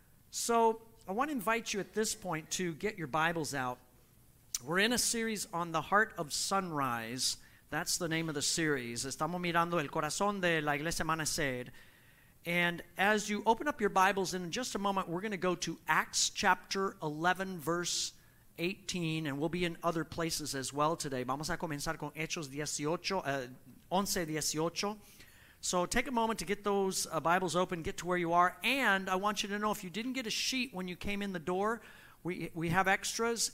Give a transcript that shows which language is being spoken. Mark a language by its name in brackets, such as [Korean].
[English] So I want to invite you at this point to get your Bibles out. We're in a series on the Heart of Sunrise. That's the name of the series. [Spanish] Estamos mirando el corazón de la iglesia Amanecer. [English] And as you open up your Bibles, in just a moment, we're going to go to Acts chapter 11, verse 18, and we'll be in other places as well today. [Spanish] Vamos a comenzar con Hechos 11:18. [English] So take a moment to get those Bibles open, get to where you are. And I want you to know, if you didn't get a sheet when you came in the door, we have extras.